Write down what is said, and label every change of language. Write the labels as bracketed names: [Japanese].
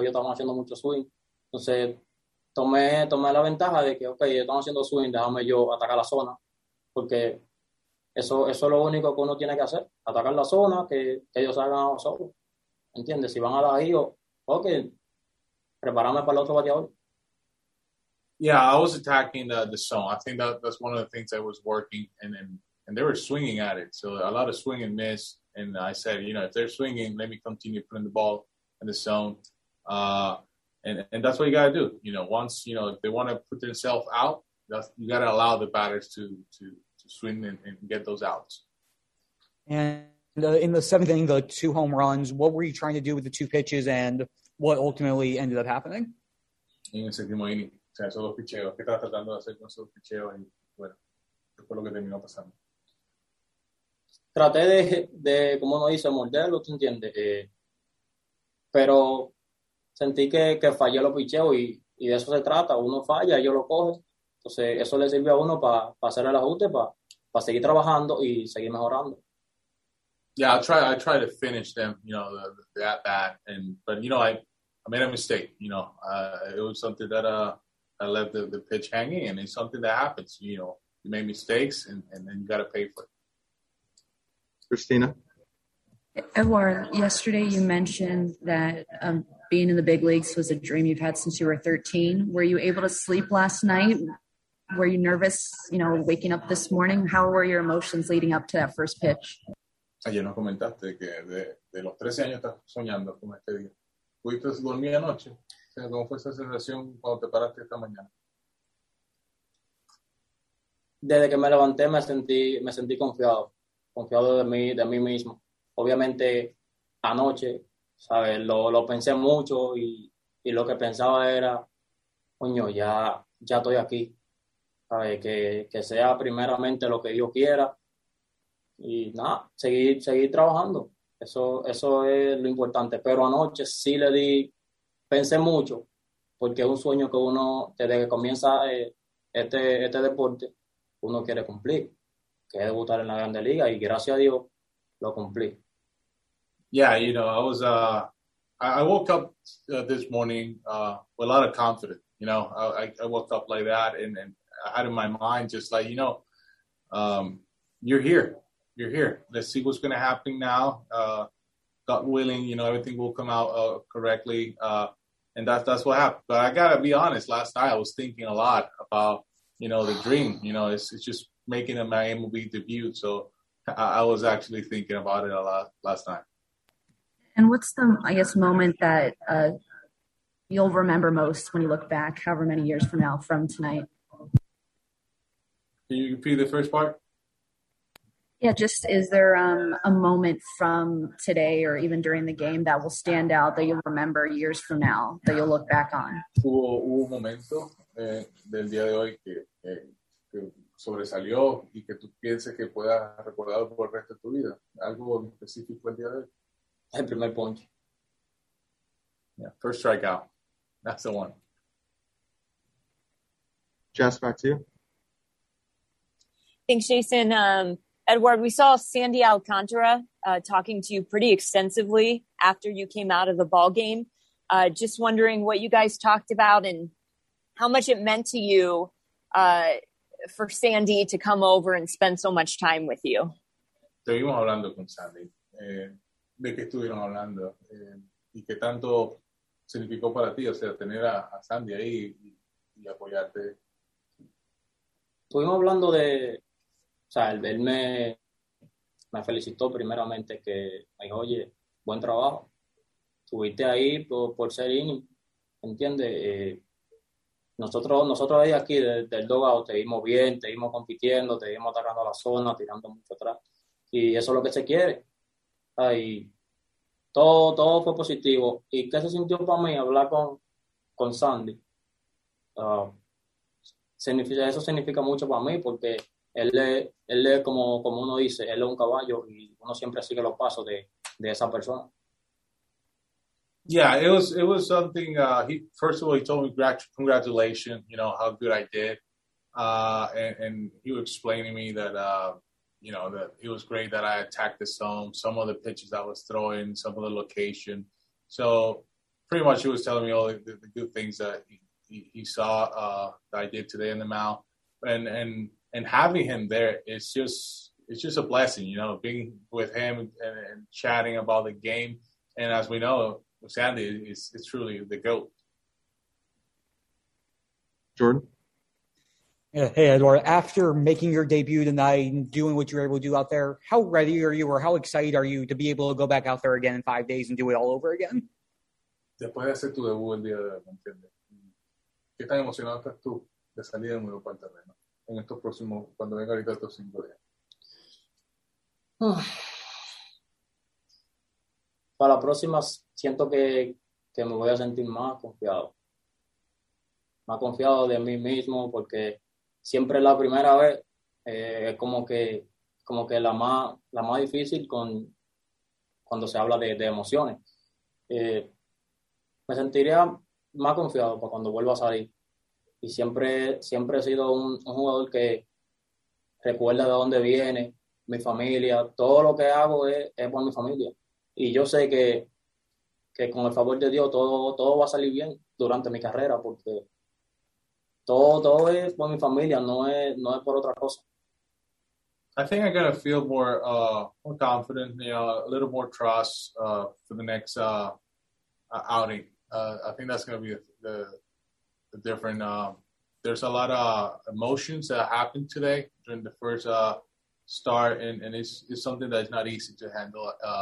[Spanish] Yo estaba haciendo mucho swing. Entonces, tomé la ventaja de que, ok, yo estaba haciendo swing, déjame yo atacar la zona. Porque eso es lo único que uno tiene que hacer. Atacar la zona, que ellos salgan a solo. ¿Entiendes? Si van a dar ahí, ok, prepárame para el otro bateador. [English] Yeah, I was attacking the zone. I think that's one of the things that was working, and they were swinging at it. So a lot of swing and miss. And I said, you know, if they're swinging, let me continue putting the ball in the zone. And that's what you got to do. You know, once, you know, if they want to put themselves out, you got to allow the batters to swing and get those outs. And in the seventh inning, the two home runs, what were you trying to do with the two pitches and what ultimately ended up happening? [Spanish] En el séptimo inning, o sea, esos dos picheos. ¿Qué estaba tratando de hacer con esos picheos? Y bueno, ¿qué fue lo que terminó pasando? Traté de como uno dice, morderlo, ¿tú entiendes? Pero sentí que fallé los picheos y de eso se trata. Uno falla, yo lo coge. Entonces, eso le sirve a uno para hacer el ajuste, para seguir trabajando y seguir mejorando. [English] Yeah, I try to finish them, you know, the at bat, but you know, I made a mistake. You know, it was something that I left the pitch hanging, and it's something that happens. You know, you make mistakes, and then you got to pay for it. Christina, Eduard, yesterday you mentioned that being in the big leagues was a dream you've had since you were 13. Were you able to sleep last night? Were you nervous, you know, waking up this morning? How were your emotions leading up to that first pitch? [Spanish] Ayer nos comentaste que de los 13 años estás soñando con este día. ¿Pudiste dormir anoche? O sea, ¿cómo fue esa sensación cuando te paraste esta mañana? Desde que me levanté me sentí confiado. Confiado de mí mismo. Obviamente, anoche, ¿sabes? Lo pensé mucho y lo que pensaba era, coño, ya estoy aquí. ¿Sabes? Que sea primeramente lo que Dios quiera. Y nada, seguir trabajando. Eso es lo importante. Pero anoche sí le di, pensé mucho, porque es un sueño que uno, desde que comienza este deporte, uno quiere cumplir, que es debutar en la Grande Liga, y gracias a Dios, lo cumplí. [English] Yeah, you know, I was, I woke up this morning with a lot of confidence, you know. I woke up like that, and I had in my mind just like, you know, you're here. You're here. Let's see what's going to happen now. God willing, you know, everything will come out correctly. And that's what happened. But I got to be honest, last night I was thinking a lot about, you know, the dream. You know, it's just making my MLB debut. So I was actually thinking about it a lot last night. And what's the, I guess, moment that you'll remember most when you look back however many years from now from tonight? Can you repeat the first part? Yeah, just is there a moment from today or even during the game that will stand out that you'll remember years from now that you'll look back on? [Spanish] Hubo un momento del día de hoy que sobresalió y que tú pienses que puedas recordar por el resto de tu vida. ¿Algo específico el día de hoy? El primer punch. [English] Yeah, first strikeout. That's the one. Jess, back to you. Thanks, Jason. Eduard, we saw Sandy Alcantara talking to you pretty extensively after you came out of the ball game. Just wondering what you guys talked about and how much it meant to you for Sandy to come over and spend so much time with you. [Spanish] Estuvimos hablando con Sandy. ¿De qué estuvieron hablando? ¿Y qué tanto significó para ti, o sea, tener a Sandy ahí y apoyarte? Estuvimos hablando de... O sea, el verme me felicitó primeramente que me dijo, oye, buen trabajo. Estuviste ahí por ser inning, ¿entiendes? Nosotros ahí aquí del dugout te vimos bien, te vimos compitiendo, te vimos atacando la zona, tirando mucho atrás. Y eso es lo que se quiere. Ay, todo fue positivo. ¿Y qué se sintió para mí hablar con Sandy? Eso significa mucho para mí porque... Él es como uno dice, él es un caballo y uno siempre sigue los pasos de esa persona. [English] Yeah, it was something. First of all, he told me congratulations, you know, how good I did, and he was explaining to me that you know, that it was great that I attacked the zone, some of the pitches I was throwing, some of the location. So pretty much he was telling me all the good things that he saw that I did today in the mound, and having him there, it's just a blessing, you know, being with him and chatting about the game. And as we know, Sandy is truly the GOAT. Jordan. Yeah. Hey, Edward, after making your debut tonight and doing what you were able to do out there, how ready are you or how excited are you to be able to go back out there again in 5 days and do it all over again? [Spanish] Después de hacer tu debut el día de hoy, ¿entiendes? ¿Qué tan emocionado estás tú de salir de nuevo para el terreno en estos próximos, cuando venga ahorita estos 5 días? Para las próximas, siento que me voy a sentir más confiado. Más confiado de mí mismo, porque siempre la primera vez es como que la más difícil cuando se habla de emociones. Me sentiría más confiado para cuando vuelva a salir. Y siempre he sido un jugador que recuerda de dónde viene, mi familia. Todo lo que hago es por mi familia. Y yo sé que con el favor de Dios todo va a salir bien durante mi carrera, porque todo es por mi familia, no es por otra cosa. [English] I think I'm gonna feel more confident, a little more trust for the next outing. I think that's gonna be the different. There's a lot of emotions that happened today during the first start, and it's something that is not easy to handle.